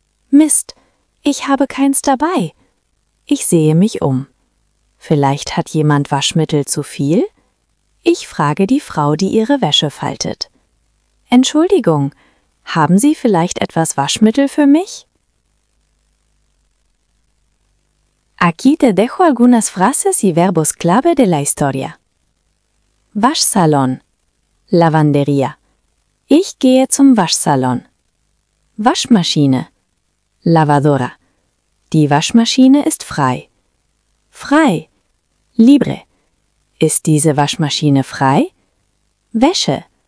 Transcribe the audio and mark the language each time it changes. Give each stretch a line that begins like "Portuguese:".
German: Mist, ich habe keins dabei. Ich sehe mich um. Vielleicht hat jemand Waschmittel zu viel? Ich frage die Frau, die ihre Wäsche faltet. Entschuldigung, haben Sie vielleicht etwas Waschmittel für mich?
Spanish: Aquí te dejo algunas frases y verbos clave de la historia.
German: Waschsalon.
Spanish: Lavanderia.
German: Ich gehe zum Waschsalon. Waschmaschine.
Spanish: Lavadora.
German: Die Waschmaschine ist frei. Frei.
Spanish: Libre.
German: Ist diese Waschmaschine frei? Wäsche.